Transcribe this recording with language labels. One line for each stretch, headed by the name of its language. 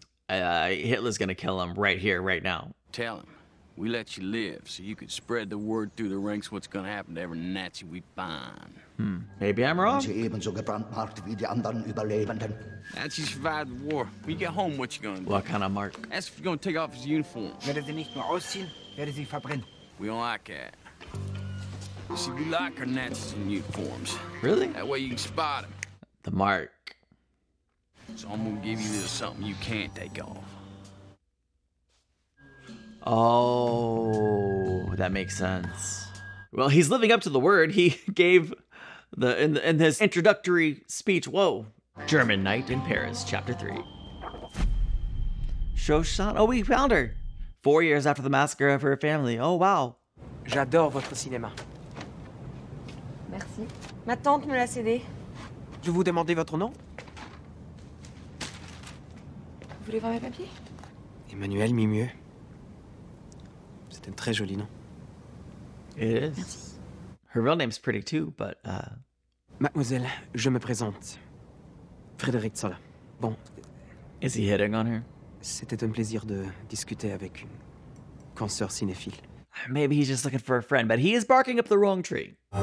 English: Hitler's gonna kill him right here, right now. Tell him. We let you live so you can spread the word through the ranks what's gonna happen to every Nazi we find. Maybe I'm wrong.
German: Sie ebenso gebrandmarkt wie die anderen Überlebenden.
English: Nazis survived the war. When you get home, what you gonna do? What kind of mark? Ask if you're gonna take off his uniform.
German: Werde sie nicht nur ausziehen, werde sie verbrennen.
English: We don't like that. You see, we like our Nazis in uniforms. Really? That way you can spot them. The mark. So I'm gonna give you something you can't take off. Oh, that makes sense. Well, he's living up to the word he gave in his introductory speech. Whoa. German Night in Paris, Chapter 3. Shoshana. Oh, we found her. 4 years after the massacre of her family. Oh, wow.
French: J'adore votre cinéma. Merci. Ma tante me l'a cédé. Je vous demander votre nom? Vous voulez voir mes papiers? Emmanuel Mimieux. C'est un très joli nom.
English: It is. Her real name's pretty too, but...
French: Mademoiselle, je me présente. Frédéric Zola. Bon.
English: Is he hitting on her?
French: C'était un plaisir de discuter avec une consoeur cinéphile.
English: Maybe he's just looking for a friend, but he is barking up the wrong tree.